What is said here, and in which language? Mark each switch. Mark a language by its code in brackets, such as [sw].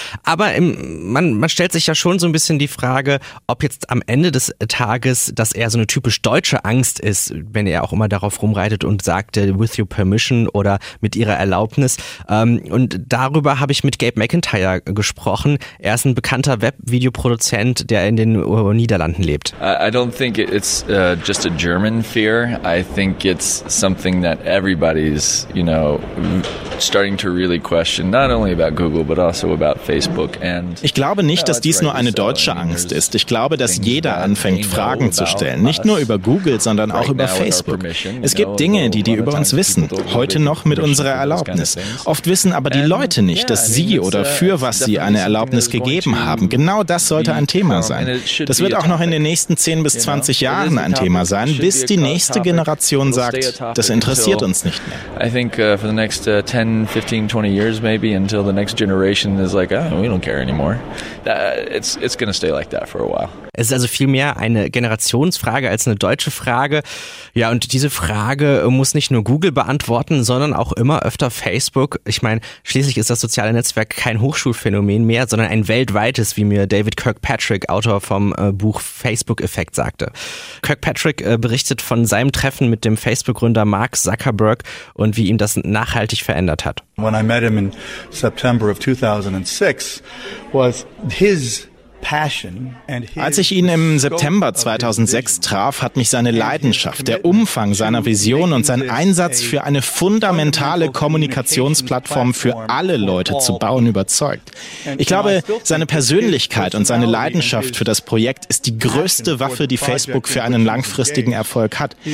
[de] Aber man stellt sich ja schon so ein bisschen die Frage, ob jetzt am Ende des Tages das eher so eine typisch deutsche Angst ist, wenn er auch immer darauf rumreitet und sagt, [en] with your permission [de] oder mit ihrer Erlaubnis. Und darüber habe ich mit Gabe McIntyre gesprochen. Er ist ein bekannter Webvideoproduzent, der in den Niederlanden lebt. [en] I don't think it's just a German fear. I think it's something that everybody's, you know, starting to really question, not only about Google, but also about Facebook. And [de] ich glaube nicht, dass dies nur eine deutsche Angst ist. Ich glaube, dass jeder anfängt, Fragen zu stellen. Nicht nur über Google, sondern auch über Facebook. Es gibt Dinge, die über uns wissen. Heute noch mit unserer Erlaubnis. Oft wissen aber die Leute nicht, dass sie oder für was sie eine Erlaubnis gegeben haben. Genau das sollte ein Thema sein. Das wird auch noch in den nächsten 10 bis 20 Jahren ein Thema sein, bis die nächste Generation sagt, das interessiert uns nicht mehr. [en] I think for the next 10, 15, 20 years maybe, until the next generation is like, oh, we don't care anymore. It's gonna stay like that for a while. [de] Es ist also vielmehr eine Generationsfrage als eine deutsche Frage. Ja, und diese Frage muss nicht nur Google beantworten, sondern auch immer öfter Facebook. Ich meine, schließlich ist das soziale Netzwerk kein Hochschulphänomen mehr, sondern ein weltweites, wie mir David Kirkpatrick, Autor vom Buch Facebook-Effekt, sagte. Kirkpatrick berichtet von seinem Treffen mit dem Facebook-Gründer Mark Zuckerberg und wie ihm das nachhaltig verändert hat. When I met him in September of 2006, was his Passion. Als ich ihn im September 2006 traf, hat mich seine Leidenschaft, der Umfang seiner Vision und sein Einsatz für eine fundamentale Kommunikationsplattform für alle Leute zu bauen überzeugt. Ich glaube, seine Persönlichkeit und seine Leidenschaft für das Projekt ist die größte Waffe, die Facebook für einen langfristigen Erfolg hat.